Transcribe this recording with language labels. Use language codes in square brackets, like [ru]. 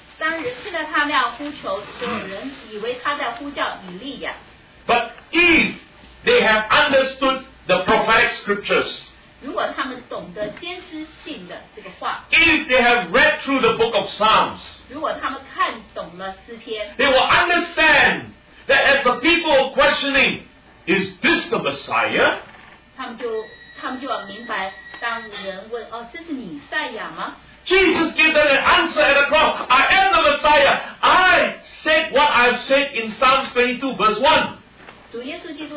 [en] But if they have understood the prophetic scriptures, if they have read through the book of Psalms, they will understand that as the people are questioning, is this the Messiah? [zh] 他们就要明白，当人问，哦，这是弥赛亚吗？ [en] Jesus gave them an answer at the cross. I am the Messiah. I said what I've said in Psalms 22, verse 1.